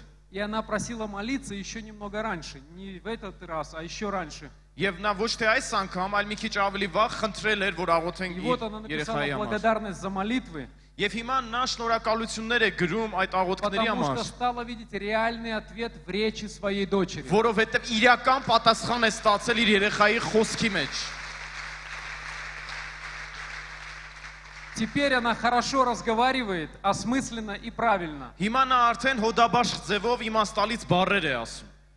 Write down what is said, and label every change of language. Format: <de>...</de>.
<ru>И она просила молиться еще немного раньше, не в этот раз, а еще раньше. И вот она написала благодарность за молитвы.</ru> <hy>Եվ հիմա նա շնորհակալություններ է գրում այդ աղոթքների համար.</hy> <ru>Потому что стала видеть реальный ответ в речи своей дочери.</ru> <hy>Որովհետև իրական պատասխան է ստացել իր երեխայի խոսքի մեջ.</hy> <ru>Теперь она хорошо разговаривает, осмысленно и правильно.</ru> <hy>Հիմա նա արդեն հոդաբաշխ ձևով իմաստալից բառեր է ասում.</hy>